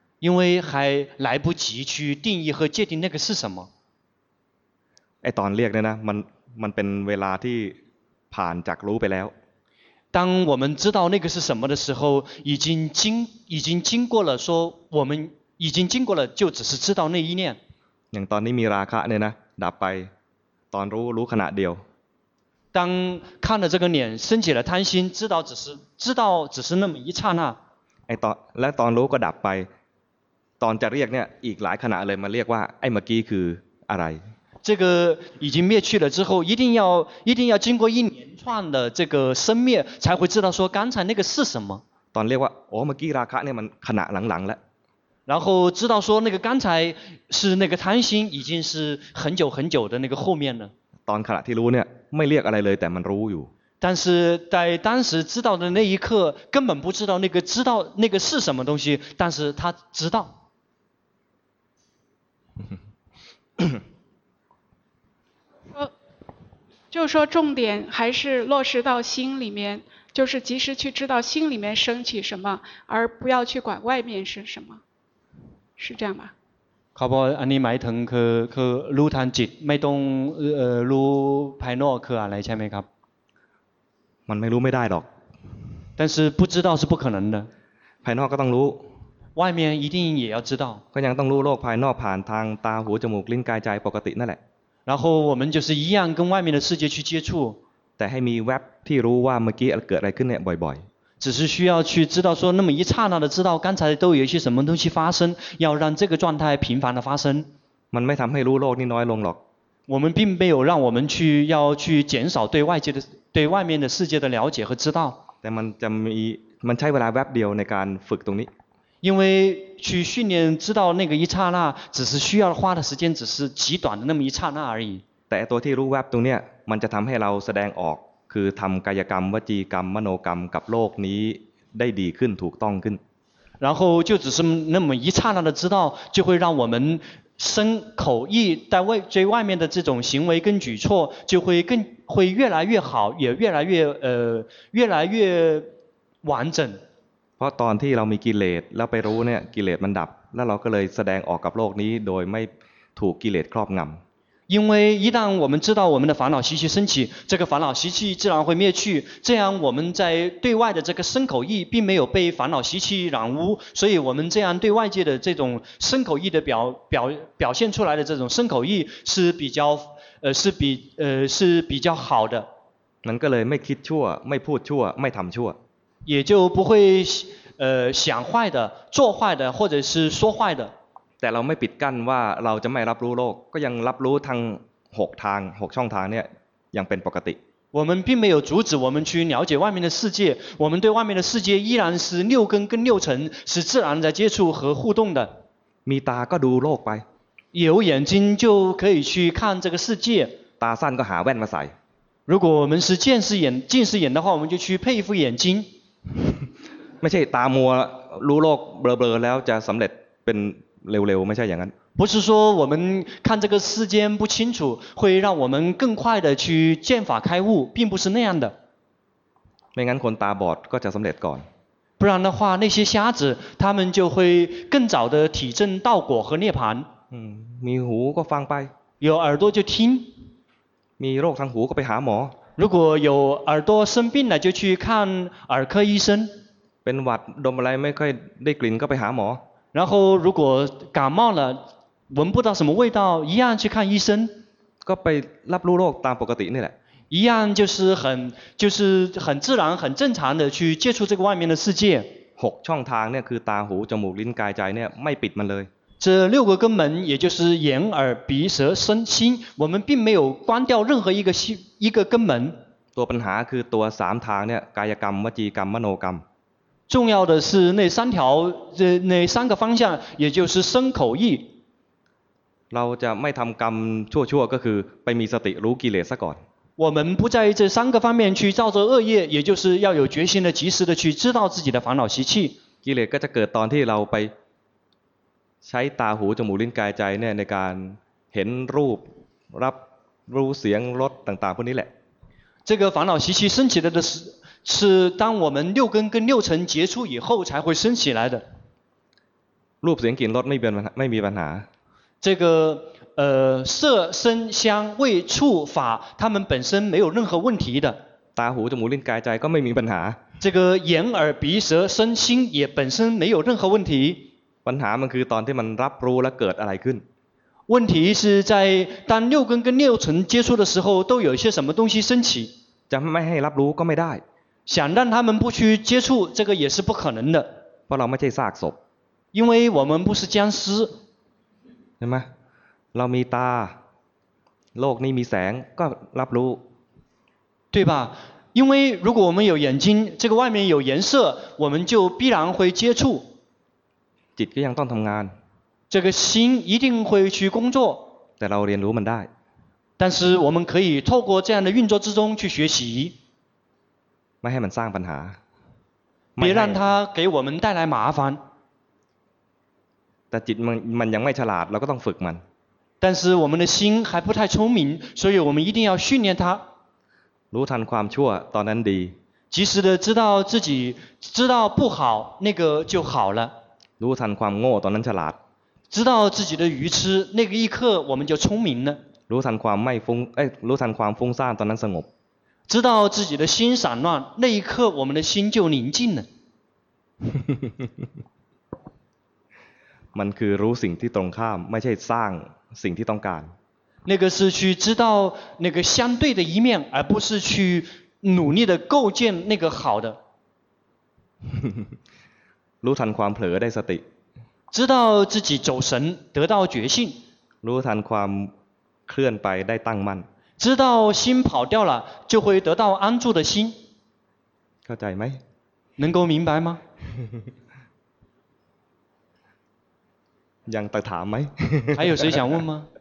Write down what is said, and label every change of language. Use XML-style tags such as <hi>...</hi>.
<zh>因为还来不及去定义和界定那个是什么</zh> <th>ไอตอนเรียกเนี่ยนะมันเป็นเวลาที่ผ่านจากรู้ไปแล้ว</th> <zh>当我们知道那个是什么的时候已经经过了说我们已经经过了就只是知道那一念</zh> <th>อย่างตอนนี้มีราคะเนี่ยนะดับไปตอนรู้ขณะเดียว</th> <zh>当看了这个脸升起了贪心知道只是那么一刹那</zh> <th>ไอ้ตอนและตอนรู้ก็ดับไปตอนจะเรียกเนี่ยอีกหลายขณะเลยมาเรียกว่าไอ้เมื่อกี้คืออะไร</th> <zh>这个已经灭去了之后一定要经过一连串的这个生灭才会知道说刚才那个是什么</zh> <th>ตอนเรียกว่าโอ้เมื่อกี้ราคะเนี่ยมันขณะหลังๆแล้ว</th> <zh>然后知道说那个刚才是那个贪心已经是很久很久的那个后面了</zh> <th>ตอนขณะที่รู้เนี่ยไม่เรียกอะไรเลยแต่มันรู้อยู่</th> <zh>但是在当时知道的那一刻根本不知道那个知道那个是什么东西但是他知道就说重点还是落实到心里面就是及时去知道心里面升起什么而不要去管外面是什么是这样吧</zh> <th>เขาบอกอันนี้หมายถึงคือรู้ทันจิตไม่ต้องรู้ภายนอกคืออะไรใช่ไหมครับ มันไม่รู้ไม่ได้หรอก</th> <zh>但是不知道是不可能的</zh> <th>ภายนอกก็ต้องรู้</th> <zh>外面一定也要知道</zh> <th>ก็ยังต้องรู้โลกภายนอกผ่านทางตาหูจมูกลิ้นกายใจปกตินั่นแหละ</th> <zh>然后我们就是一样跟外面的世界去接触</zh> <th>แต่ให้มีแวบที่รู้ว่าเมื่อกี้เกิดอะไรขึ้นเนี่ยบ่อยๆ</th> <zh>只是需要去知道说那么一刹那的知道刚才都有一些什么东西发生要让这个状态频繁的发生</zh> <th>มันไม่ทำให้รู้โลกนี่น้อยลงหรอก</th> <zh>我们并没有让我们去要去减少对外界的对外面的世界的了解和知道</zh> <th>แต่มันจะมีมันใช้เวลาแวบเดียวในการฝึกตรงนี้</th> <zh>因为去训练知道那个一刹那只是需要花的时间只是极短的那么一刹那而已</zh> <th>แต่ตัวที่รู้แวบตรงเนี้ยมันจะทำให้เราแสดงออกคือทำกายกรรมวจีกรรมมโนกรรมกับโลกนี้ได้ดีขึ้นถูกต้องขึ้น</th> <zh>然后就只是那么一刹那的知道就会让我们身口意在外最外面的这种行为跟举措就会更会越来越好也越来越越来越完整</zh> <th>เพราะตอนที่เรามีกิเลสแล้วไปรู้เนี่ยกิเลสมันดับแล้วเราก็เลยแสดงออกกับโลกนี้โดยไม่ถูกกิเลสครอบงำ</th> <zh>因为一旦我们知道我们的烦恼习气升起，这个烦恼习气自然会灭去，这样我们在对外的这个身口意并没有被烦恼习气染污，所以我们这样对外界的这种身口意的表现出来的这种身口意是比较是比较好的。能够来没</zh> <th>คิดชั่ว</th> <zh>没</zh> <th>พูดชั่ว</th> <zh>没</zh> <th>ทำชั่ว，</th> <zh>也就不会想坏的做坏的或者是说坏的。</zh> <th>แต่เราไม่ปิดกั้นว่าเราจะไม่รับรู้โลกก็ยังรับรู้ทางหกทางหกช่องทางเนี่ยยังเป็นปกติ</th> <zh>我们并没有阻止我们去了解外面的世界，我们对外面的世界依然是六根跟六尘是自然在接触和互动的。</zh> <th>มีตาก็ดูโลกไป</th> <zh>有眼睛就可以去看这个世界。</zh> <th>ตาสั้นก็หาแว่นมาใส่</th> <zh>如果我们是近视眼近视眼的话，我们就去配一副眼镜。</zh> <th>ไม่ใช่ตามัวรู้โลกเบลอๆแล้วจะสำเร็จเป็นเร็วๆไม่ใช่อย่างนั้น</th> <zh>不是说我们看这个世间不清楚会让我们更快的去见法开悟，并不是那样的。</zh> <th>ไม่งั้นคนตาบอดก็จะสำเร็จก่อน</th> <zh>不然的话那些瞎子他们就会更早的体证道果和涅槃。</zh> <th>มีหูก็ฟังไป</th> <zh>有耳朵就听。</zh> <th>มีโรคทางหูก็ไปหาหมอ</th> <zh>如果有耳朵生病了就去看耳科医生。</zh> <th>เป็นหวัดดมอะไรไม่ค่อยได้กลิ่นก็ไปหาหมอ</th> <zh>然后如果感冒了闻不到什么味道一样去看医生</zh> <th>ก็ไปรับรู้โรคตามปกตินี่แหละ</th> <zh>一样就是很自然很正常的去接触这个外面的世界</zh> <th>6ช่องทางเนี่ยคือตาหูจมูกลิ้นกายใจเนี่ยไม่ปิดมันเลย</th> <zh>这六个根门也就是眼耳鼻舌身心我们并没有关掉任何一个根门</zh> <th>ตัวปัญหาคือตัว3ทางเนี่ยกายกรรมวจีกรรมมโนกรรม</th> <zh>重要的是那三条那三个方向也就是身口意</zh> <th>เราจะไม่ทำกรรมชั่วๆก็คือไปมีสติรู้กิเลสซะก่อน</th> <zh>我们不在这三个方面去造作恶业也就是要有决心的及时的去知道自己的烦恼习气</zh> <th>กิเลสก็จะเกิดตอนที่เราไปใช้ตาหูจมูกลิ้นกายใจเนี่ยในการเห็นรูปรับรู้เสียงรสต่างๆพวกนี้แหละ</th> <zh>这个烦恼习气升起的是当我们六根跟六尘接触以后才会升起来的。</zh> <th>รูปเสียงกลิ่นรสไม่มีปัญหา。</th> <zh>这个色声香味触法它们本身没有任何问题的。</zh> <th>ตาหูจมูกลิ้นกายใจก็ไม่มีปัญหา。</th> <zh>这个眼耳鼻舌身心也本身没有任何问题。</zh> <th>ปัญหามันคือตอนที่มันรับรู้และเกิดอะไรขึ้น。</th> <zh>问题是在当六根跟六尘接触的时候都有一些什么东西升起。</zh> <th>จะไม่ให้รับรู้ก็ไม่ได้</th> <zh>想让他们不去接触这个也是不可能的</zh> <th>เพราะเราไม่ใช่ซากศพ</th> <zh>因为我们不是僵尸</zh> <th>เห็นไหมเรามีตาโลกนี้มีแสงก็รับรู้</th> <zh>对吧因为如果我们有眼睛这个外面有颜色我们就必然会接触</zh> <th>จิตก็ยังต้องทำงาน</th> <zh>这个心一定会去工作</zh> <th>แต่เราเรียนรู้มันได้</th> <zh>但是我们可以透过这样的运作之中去学习</zh> <th>ไม่ให้มันสร้างปัญหา</th> <zh>别让它给我们带来麻烦</zh> <th>แต่จิตมันยังไม่ฉลาดเราก็ต้องฝึกมัน</th> <zh>但是我们的心还不太聪明所以我们一定要训练它</zh> <th>รู้ทันความชั่วตอนนั้นดี</th> <zh>及时的知道自己知道不好那个就好了</zh> <th>รู้ทันความโง่ตอนนั้นฉลาด</th> <zh>知道自己的愚痴那个一刻我们就聪明了</zh> <th>รู้ทันความไม่ฟุ้งรู้ทันความฟุ้งซ่านตอนนั้นสงบ</th> <zh>知道自己的心散乱那一刻我们的心就宁静了</zh> <th>มันคือรู้สิ่งที่ตรงข้ามไม่ใช่สร้างสิ่งที่ต้องการ</th> <zh>那个是去知道那个相对的一面而不是去努力的构建那个好的</zh> <th>รู้ทันความเผลอได้สติ</th> <zh>知道自己走神得到觉性</zh> <th>รู้ทันความเคลื่อนไปได้ตั้งมั่น</th> <zh>知道心跑掉了就会得到安住的心</zh> <th>เข้าใจไหม</th> <zh>能够明白吗</zh> <th>ยังตะถามไหม</th> <zh>还有谁想问吗</zh>